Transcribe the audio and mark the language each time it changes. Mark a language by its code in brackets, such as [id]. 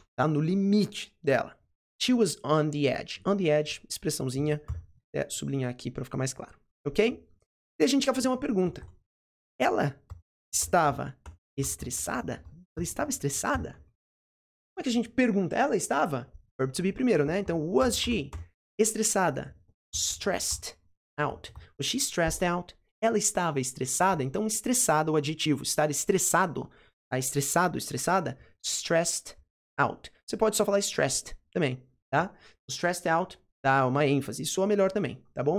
[pt] Tá no limite dela. [en] She was on the edge. [pt] On the edge, expressãozinha, sublinhar aqui para ficar mais claro, ok? E a gente quer fazer uma pergunta. Ela estava estressada? Ela estava estressada? Como é que a gente pergunta? Ela estava? Verb to be primeiro, né? Então, [en] was she [pt] estressada? [en] Stressed out. Was she stressed out? [pt] Ela estava estressada? Então, estressado, o adjetivo. Estar estressado. Tá? Estressado, estressada? Stressed out. Você pode só falar stressed também, tá? Stressed out dá uma ênfase. Soa melhor também, tá bom?